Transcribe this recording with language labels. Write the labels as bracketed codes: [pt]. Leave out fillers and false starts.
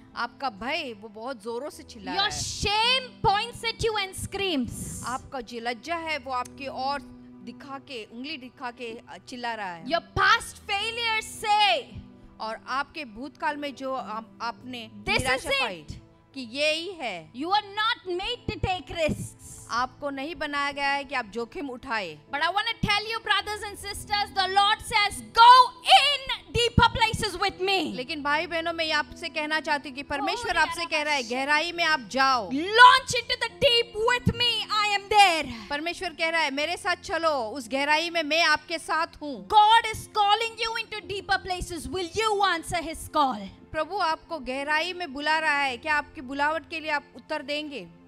[hi] आपका भय वो बहुत जोरों से चिल्ला रहा है. [en] Your shame points at you and screams. [hi] आपका जो लज्जा है वो आपके और दिखा के उंगली दिखा के चिल्ला रहा है. [en] Your past failures say. [hi] और आपके भूतकाल में जो आपने निराशा पाई कि ये ही है. [en] You are not made to take risks. [hi] आपको नहीं बनाया गया है कि आप जोखिम उठाए. [en] But I want to tell you, brothers and sisters, the Lord says, go in deeper places with me. [hi] लेकिन भाई बहनों मैं आपसे कहना चाहती हूँ कि परमेश्वर आपसे कह रहा है गहराई में आप जाओ. [en] Launch into the deep with me. I am there. [hi] परमेश्वर कह रहा है मेरे साथ चलो उस गहराई में मैं आपके साथ हूँ. [en] God is calling you into deeper places. Will you answer His call? [hi] प्रभु आपको गहराई में बुला रहा है क्या आपकी बुलावट के लिए आप उत्तर देंगे?